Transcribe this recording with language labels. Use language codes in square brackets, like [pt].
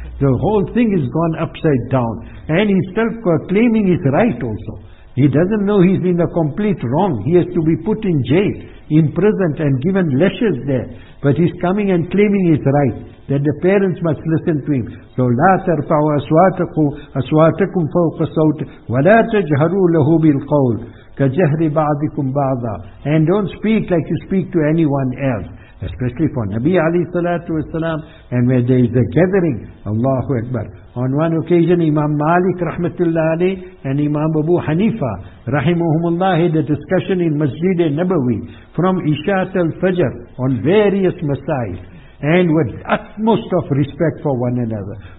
[en] The whole thing is gone upside down. And he's still claiming his right also. He doesn't know he's in a complete wrong. He has to be put in jail, imprisoned and given lashes there. But he's coming and claiming his right, that the parents must listen to him. So [ar] لا ترفعوا أصواتكم فوق صوت ولا تجهروا له بالقول كجهر بعضكم بعضا. [en] And don't speak like you speak to anyone else. Especially for Nabi alayhi salatu wasalam, and where there is a gathering, Allahu Akbar. On one occasion, Imam Malik rahmatullahi alayhi and Imam Abu Hanifa rahimahumullah had a discussion in Masjid al-Nabawi from Isha till Fajr on various masail, and with utmost of respect for one another.